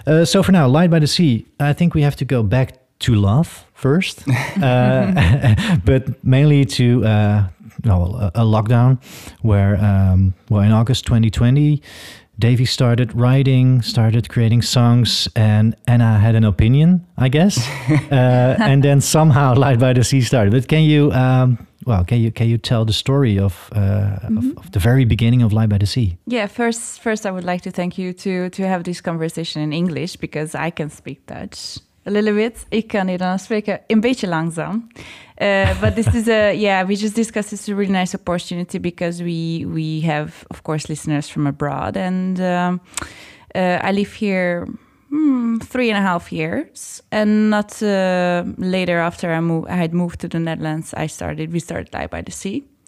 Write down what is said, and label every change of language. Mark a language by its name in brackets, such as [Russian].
[English] So for now, Light by the Sea, I think we have to go back to love first, but mainly to a lockdown where, in August 2020, Davy started writing, started creating songs, and Anna had an opinion, I guess. and then somehow Light by the Sea started. But can you, can you tell the story of the very beginning of Light by the Sea? Yeah, first I would like to thank you to have this conversation in English, because I can speak Dutch a little bit. [Dutch] Ik kan Nederlands spreken een beetje langzaam. [English] But this is we just discussed this. It's a really nice opportunity because we have, of course, listeners from abroad. And I live here 3.5 years. And not later after I had moved to the Netherlands, we started Light by the Sea.